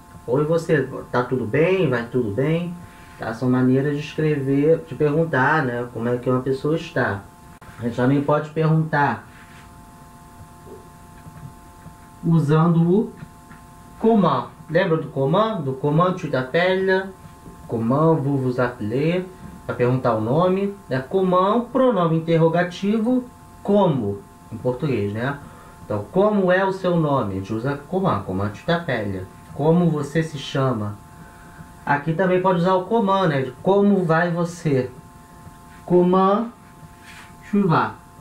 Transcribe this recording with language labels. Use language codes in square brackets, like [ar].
[pt] Ou você, tá tudo bem? Vai tudo bem? Tá, são maneiras de escrever, de perguntar, né? Como é que uma pessoa está. A gente também pode perguntar usando o comment. Lembra do comment? Do [fr] comment tu t'appelles? Comment vous vous appelez? [pt] Para perguntar o nome, né? Comment, pronome interrogativo, como, em português, né? Então, como é o seu nome? A gente usa comment, [fr] comment tu t'appelles? [pt] Como você se chama? Aqui também pode usar o comand, né? Como vai você? [fr] Comand tu vas?